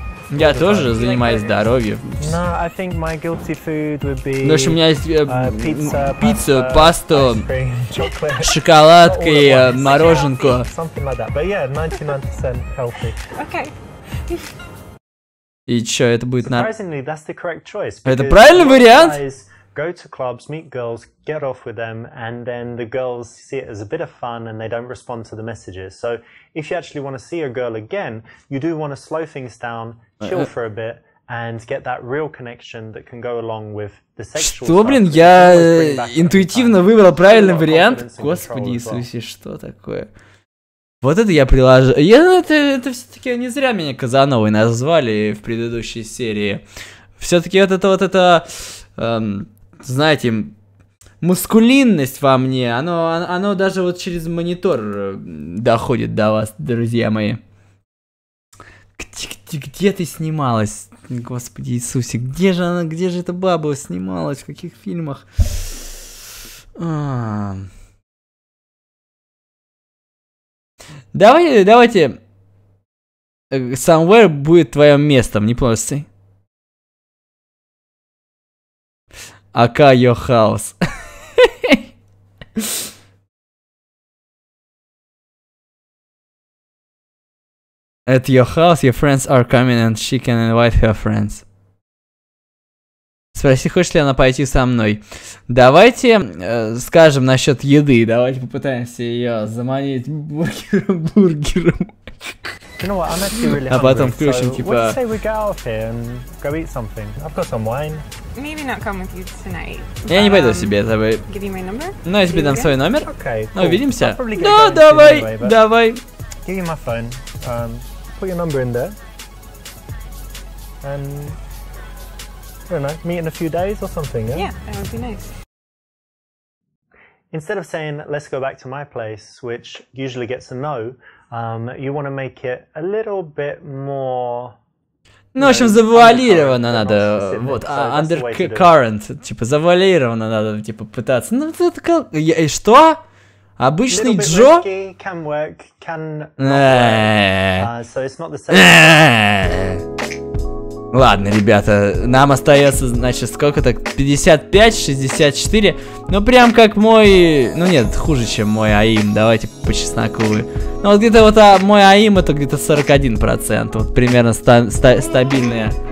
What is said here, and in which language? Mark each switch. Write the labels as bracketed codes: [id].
[ru] Я тоже занимаюсь здоровьем. [en] No, I think my guilty food would be. [ru] Ну, у меня есть пицца, пасту, шоколадка и мороженку. [en] Something like that. But yeah, 99% healthy. Okay. [ru] И чё, это будет на... [en] Surprisingly, that's the correct choice. [ru] Это правильный вариант? [en] Go to clubs, meet girls, get off with them, and then the girls see it as a bit of fun, and they don't respond to the messages. So, if you actually want to see a girl again, you do want to slow things down, chill for a bit, and get that real connection that can go along with the sexual. [ru] Что, блин, я интуитивно выбрал правильный вариант? Господи Иисусе, что такое? Вот это я приложу. Это все-таки не зря меня Казановой назвали в предыдущей серии. Все-таки вот это знаете, мускулинность во мне, оно даже вот через монитор доходит до вас, друзья мои. где ты снималась? Господи Иисусе, где же эта баба снималась? В каких фильмах? Давайте. Somewhere будет твоим местом, не просто. [en] Aka your house. At your house, your friends are coming and she can invite her friends. [ru] Спроси, хочет ли она пойти со мной. Давайте скажем насчет еды. Давайте попытаемся ее заманить бургером. [en] You know what, I'm actually really hungry, [ru] потом включим, [en] so [ru] типа... [en] what do you say we get out of here and go eat something? I've got some wine. Maybe not come with you tonight. [ru] Я не пойду себе, давай. [en] Give you my number? [ru] Ну, я тебе дам свой номер. [en] Okay, cool. [ru] Ну, увидимся. [en] I'll probably get no, down [ru] давай, [en] to you anyway, [ru] давай. [en] Give you my phone. Put your number in there. And, I don't know, meet in a few days or something, yeah? Yeah, that would be nice. Instead of saying, let's go back to my place, which usually gets a no, you want to make it a little bit more... [ru] Ну, в общем, завуалировано надо, вот, undercurrent, типа, завуалировано надо, типа, пытаться, ну, это как, и что? Обычный Джо? [en] Little bit risky, can work, can not work, so it's not the same. [ru] Ладно, ребята, нам остается, значит, сколько так, 55-64, ну, прям как мой, ну, нет, хуже, чем мой АИМ, давайте по чесноку. Ну вот где-то вот мой АИМ это где-то 41%, вот примерно стабильное.